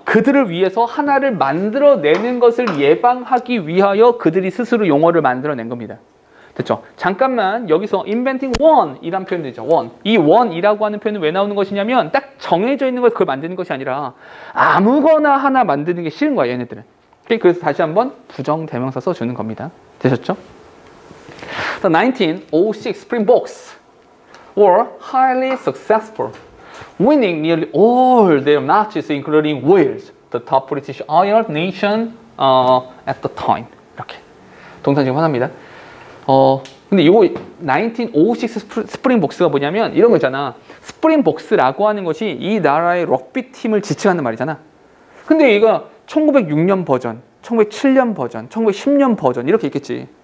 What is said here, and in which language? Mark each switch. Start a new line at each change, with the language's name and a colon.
Korean: 그들을 위해서 하나를 만들어내는 것을 예방하기 위하여 그들이 스스로 용어를 만들어낸 겁니다. 됐죠? 잠깐만, 여기서
English: inventing one
Korean: 이란 표현이죠. one. 이 one이라고 하는 표현은 왜 나오는 것이냐면 딱 정해져 있는 것을 그걸 만드는 것이 아니라 아무거나 하나 만드는 게 싫은 거야, 얘네들은. 그래서 다시 한번 부정 대명사 써주는 겁니다. 되셨죠?
English: 1906 Springboks were highly successful, winning nearly all their matches, including Wales, the top British Isle nation at the time.
Korean: 이렇게. 동탄 지금 화납니다. 근데 이거 1906 스프링복스가 뭐냐면 이런 거 있잖아. 스프링복스라고 하는 것이 이 나라의 럭비 팀을 지칭하는 말이잖아. 근데 얘가 1906년 버전, 1907년 버전, 1910년 버전 이렇게 있겠지.